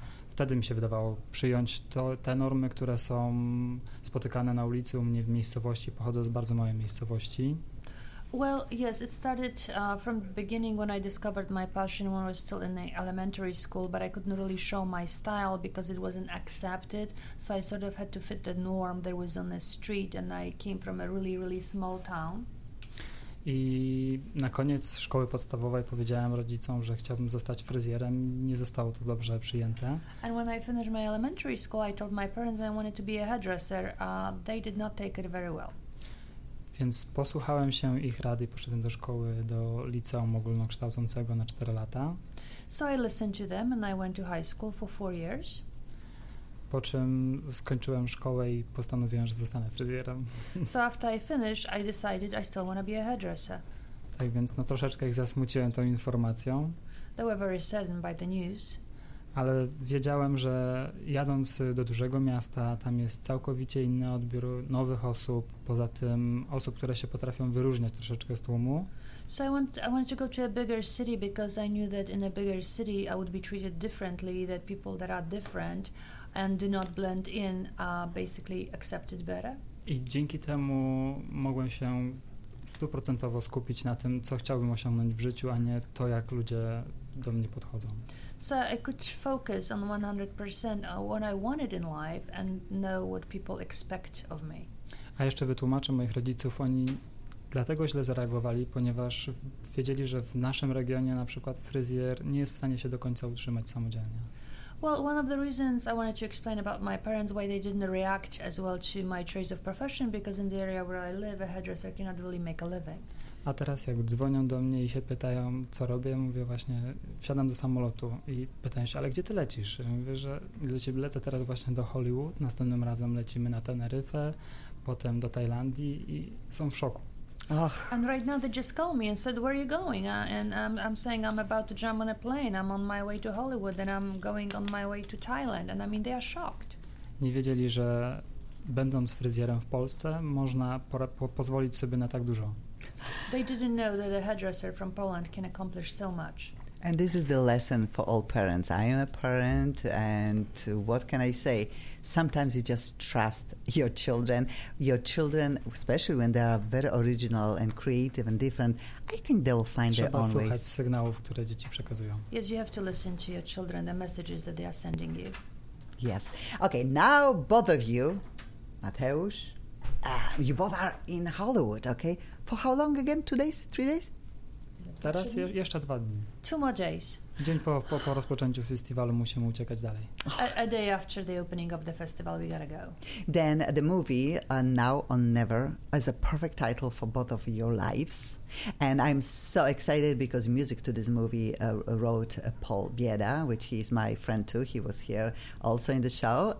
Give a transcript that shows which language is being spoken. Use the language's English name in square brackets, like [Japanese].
[Polish] Wtedy mi się wydawało przyjąć te normy, które są spotykane na ulicy u mnie w miejscowości. Pochodzę z bardzo małej miejscowości. [English] Well, yes, it started from the beginning when I discovered my passion when I was still in the elementary school, but I couldn't really show my style because it wasn't accepted. So I sort of had to fit the norm that was on the street and I came from a really, really small town. [Polish] I na koniec szkoły podstawowej powiedziałem rodzicom, że chciałbym zostać fryzjerem. Nie zostało to dobrze przyjęte. [English] And when I finished my elementary school, I told my parents I wanted to be a hairdresser. They did not take it very well. [Polish] Więc posłuchałem się ich rad i poszedłem do szkoły, do liceum ogólnokształcącego na 4 lata. [English] So I listened to them and I went to high school for 4 years. [Polish] Po czym skończyłem szkołę i postanowiłem, że zostanę fryzjerem. [English] So after I finished, I decided I still want to be a hairdresser. [Polish] Tak więc no troszeczkę ich zasmuciłem tą informacją. [English] They were very saddened by the news. [Polish] Ale wiedziałem, że jadąc do dużego miasta, tam jest całkowicie inny odbiór nowych osób, poza tym osób, które się potrafią wyróżniać troszeczkę z tłumu. [English] So I wanted to go to a bigger city because I knew that in a bigger city I would be treated differently, that people that are different and do not blend in, basically accepted better. [Polish] I dzięki temu mogłem się stuprocentowo skupić na tym, co chciałbym osiągnąć w życiu, a nie to, jak ludzie do mnie podchodzą. [English] So I could focus on 100% on what I wanted in life and know what people expect of me. [Polish] A jeszcze wytłumaczę moich rodziców, oni dlatego źle zareagowali, ponieważ wiedzieli, że w naszym regionie na przykład fryzjer nie jest w stanie się do końca utrzymać samodzielnie. [English] Well, one of the reasons I wanted to explain about my parents why they didn't react as well to my choice of profession, because in the area where I live, a hairdresser cannot really make a living. [Polish] A teraz jak dzwonią do mnie i się pytają, co robię, mówię właśnie, wsiadam do samolotu i pytają się, ale gdzie ty lecisz? Ja mówię, że lecę teraz właśnie do Hollywood, następnym razem lecimy na Teneryfę, potem do Tajlandii i są w szoku. Ach. [English] And right now they just call me and said, where are you going? And I'm saying I'm about to jump on a plane, I'm on my way to Hollywood and I'm going on my way to Thailand. And I mean, they are shocked. [Polish] Nie wiedzieli, że będąc fryzjerem w Polsce, można pozwolić sobie na tak dużo. [English] They didn't know that a hairdresser from Poland can accomplish so much. And this is the lesson for all parents. I am a parent, and what can I say? Sometimes you just trust your children. Your children, especially when they are very original and creative and different, I think they will find [Polish] trzeba [English] their own ways. [Polish] Trzeba słuchać sygnałów, które dzieci przekazują. [English] Yes, you have to listen to your children, the messages that they are sending you. Yes. Okay, now both of you, Mateusz, you both are in Hollywood, okay? For how long again? 2 days? 3 days? [Polish] Teraz jeszcze 2 dni. [English] 2 more days. [Polish] Dzień po rozpoczęciu festiwalu musimy uciekać dalej. [English] A day after the opening of the festival, we gotta go. Then the movie Now or Never is a perfect title for both of your lives. And I'm so excited because music to this movie wrote Paul Bieda, which he's my friend too. He was here also in the show.